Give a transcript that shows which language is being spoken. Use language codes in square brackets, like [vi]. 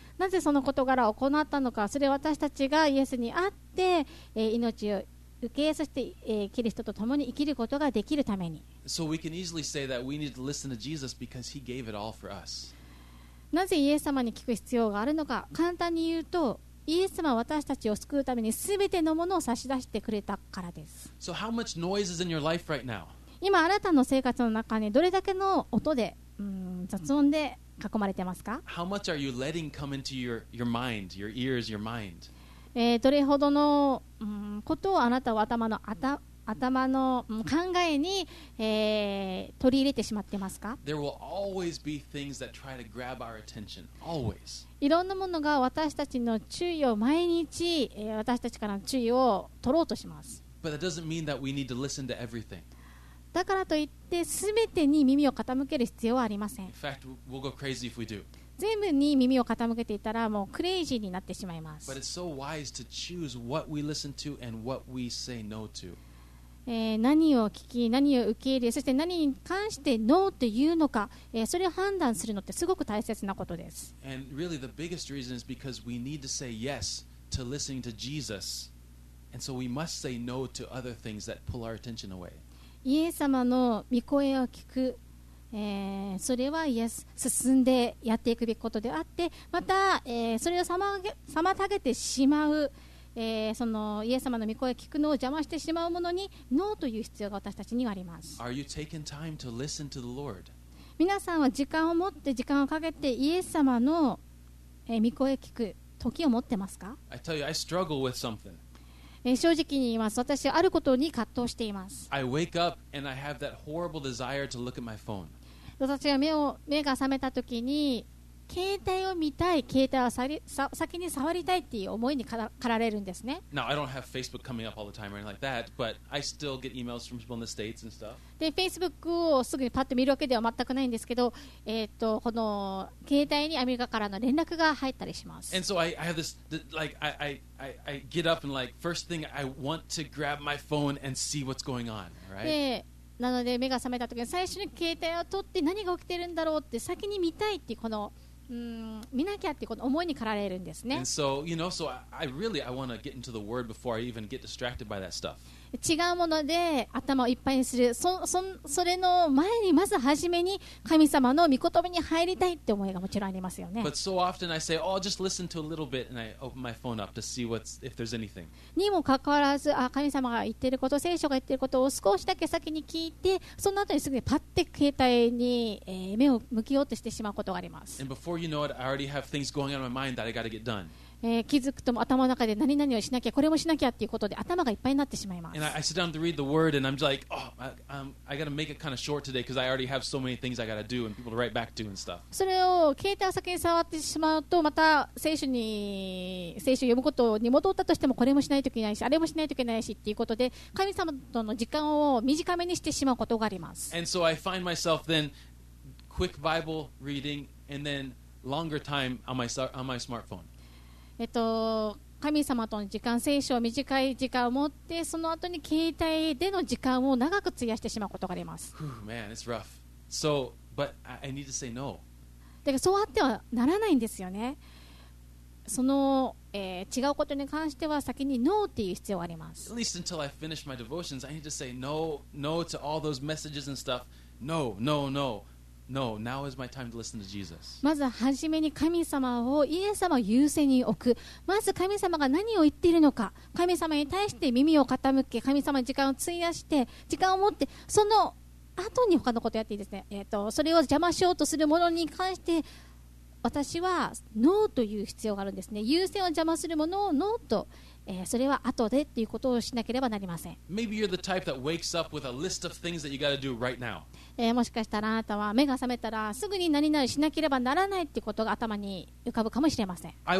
[ja] なぜその事柄を行ったのか、それは私たちがイエスに会って、命を受け、そして、キリストと共に生きることができるために。 [en] So we can easily say that we need to listen to Jesus because he gave it all for us. [ja] なぜイエス様に聞く必要があるのか、簡単に言うと、イエス様は私たちを救うために全てのものを差し出してくれたからです。 [en] So how much noise is in your life right now? [ja] 今あなたの生活の中にどれだけの音で、雑音で、囲まれてますか? [en] How much are you letting come into your mind, your ears, your mind? [ja] どれほどの、ことをあなたは頭の頭の考えに、取り入れてしまってますか？ [en] There will always be things that try to grab our attention. Always. [ja] いろんなものが私たちの注意を毎日、私たちからの注意を取ろうとします。 [en] But that doesn't mean that we need to listen to everything. [ja] だからといって全てに耳を傾ける必要はありません。 [en] In fact, we'll go crazy if we do. [ja] 全部に耳を傾けていたらもうクレイジーになってしまいます。 [en] So no、 [ja] 何を聞き、何を受け入れ、そして何に関してノーというのか、それを判断するのってすごく大切なことです。 [en] Really、yes to to Jesus, so no、 [ja] イエス様の御声を聞く。それはイエス進んでやっていくべきことであってまた、それを妨げてしまう、そのイエス様の御声を聞くのを邪魔してしまうものにノーという必要が私たちにはあります。 [en] Are you taking time to listen to the Lord? [ja] 皆さんは時間を持って時間をかけてイエス様の、御声を聞く時を持ってますか？ [en] I tell you, I struggle with something. [ja] 正直に言います。私はあることに葛藤しています。 [en] I wake up and I have that horrible desire to look at my phone. [ja] 私が 目が覚めたときに携帯を見たい、携帯を先に触りたいっていう思いに駆られるんですね。 [en] Now, I don't have Facebook coming up all the time or anything like that, but I still get emails from people in the States and stuff. [ja] で、Facebook をすぐにパッと見るわけでは全くないんですけど、この携帯にアメリカからの連絡が入ったりします。 [en] And so I have this, like, I get up and like, first thing, I want to grab my phone and see what's going on, right? [ja] なので目が覚めた時に最初に携帯を取って何が起きてるんだろうって先に見たいっていうこの、見なきゃっていうこの思いに駆られるんですね。 [en] so, you know, so I really I want to get into the word before I even get distracted by that stuff. [ja] 違うもので頭をいっぱいにする それの前にまず初めに神様の御言葉に入りたいって思いがもちろんありますよね。 [en] But so often I say, oh, just listen to a little bit and I open my phone up to see what's, if there's anything. [ja] にもかかわらず、あ、神様が言ってること、聖書が言ってることを少しだけ先に聞いて、その後にすぐにパッて携帯に、目を向けようとしてしまうことがあります。 [en] And before you know it, I already have things going on in my mind that I got to get done. [ja] 気づくとも頭の中で何々をしなきゃこれもしなきゃっていうことで頭がいっぱいになってしまいます。 [en] And I sit down to read the word and I'm just like, oh, I gotta make it kind of short today because I already have so many things I gotta do and people to write back to and stuff. [ja] それを携帯を先に触ってしまうとまた聖書を読むことに戻ったとしてもこれもしないといけないしあれもしないといけないしっていうことで神様との時間を短めにしてしまうことがあります。 [en] And so I find myself then quick Bible reading and then longer time on my smartphone. [ja] 神様との時間、聖書を短い時間を持ってその後に携帯での時間を長く費やしてしまうことがあります。 [en] Man, it's rough. So, but I need to say no. [ja] だからそうあってはならないんですよね。その、違うことに関しては先に No っていう必要があります。 [en] At least until I finish my devotions, I need to say no, no to all those messages and stuff. No, no, no. No, now is my time to listen to Jesus. [ja] まず初めに神様をイエス様を優先に置く。まず神様が何を言っているのか、神様に対して耳を傾け、神様に時間を費やして、時間を持って、その後に他のことをやっていいですね。それを邪魔しようとするものに関して、私はノーという必要があるんですね。優先を邪魔するものをノーと、それは後でっていうことをしなければなりません。 [en] Maybe you're the type that wakes up with a list of things that you got to do right now. [ja] もしかしたらあなたは目が覚めたらすぐに何々しなければならないっていうことが頭に浮かぶかもしれません。